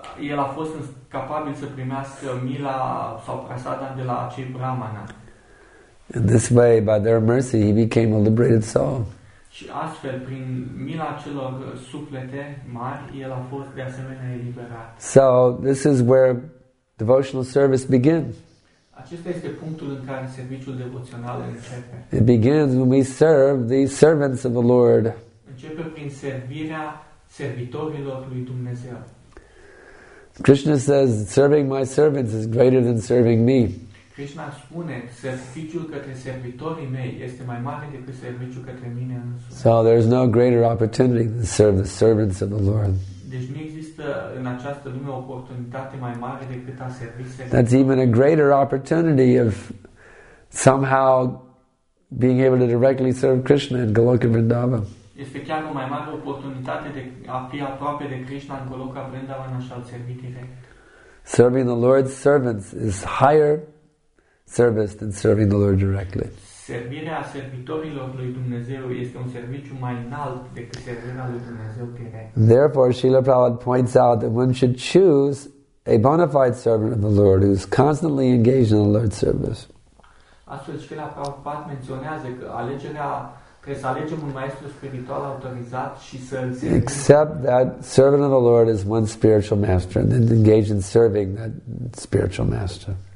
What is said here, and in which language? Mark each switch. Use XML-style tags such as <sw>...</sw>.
<ro>El a fost capabil să primească mila sau prasadam de la acei brahmana.</ro> <en>In this way, by their mercy, he became a liberated soul.</en> <ro>Și astfel, prin mila celor suflete mari, el a fost de asemenea eliberat.</ro> <en>So, this is where devotional service begins.</en> <ro>Acesta este punctul în care serviciul devoțional începe.</ro> <en>It begins when we serve the servants of the Lord.</en> <ro>Începe prin servirea servitorilor lui Dumnezeu.</ro> <en>Krishna says, serving my servants is greater than serving me.</en> <ro>Krishna spune, serviciul către servitorii mei este mai mare decât serviciul către mine însumi.</ro> <en>So there is no greater opportunity to serve the servants of the Lord.</en> <ro>Deci nu există în această lume o oportunitate mai mare decât a servi servitorii.</ro> <en>That's even a greater opportunity of somehow being able to directly serve Krishna in Goloka Vrindavan.</en> <ro>Este chiar o mai mare oportunitate de a fi aproape de Krishna în Goloka Vrindavan și a-l servi direct.</ro> <en>Serving the Lord's servants is higher service than serving the Lord directly.</en> <ro>Servirea servitorilor lui Dumnezeu este un serviciu mai înalt decât servirea lui Dumnezeu direct.</ro> <en>Therefore, Srila Prabhupada points out that one should choose a bona fide servant of the Lord who is constantly engaged in the Lord's service.</en> <ro>Astfel, Srila Prabhupada menționează că alegerea trebuie să alegem un maestru spiritual autorizat și să îl servim.</ro> <en>Except that servant of the Lord is one spiritual master and then engage in serving that spiritual master.</en>